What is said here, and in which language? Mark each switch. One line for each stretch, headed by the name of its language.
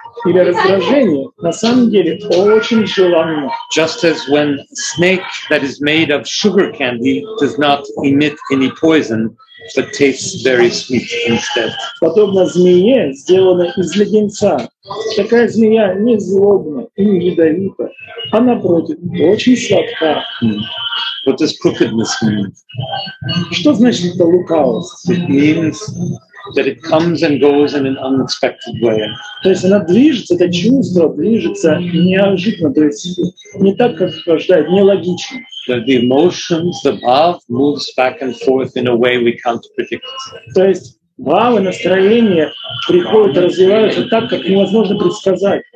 Russian: Или раздражение, на самом деле, очень желанно.
English: Just as when snake that is made of sugar candy does not emit any poison, but tastes very sweet instead.
Russian: Подобно змее, сделанной из леденца, такая змея не злобна и не ядовита, а напротив, очень сладка.
English: What does crookedness mean?
Russian: Что значит это лукавость?
English: It means that it comes and goes in an unexpected way.
Russian: То есть она движется, это чувство движется неожиданно, то есть не так, как ожидает, нелогично.
English: That the emotions, the bhav, moves back and forth in a way we can't predict.
Russian: То есть бхавы, настроение приходят, развиваются так, как невозможно предсказать.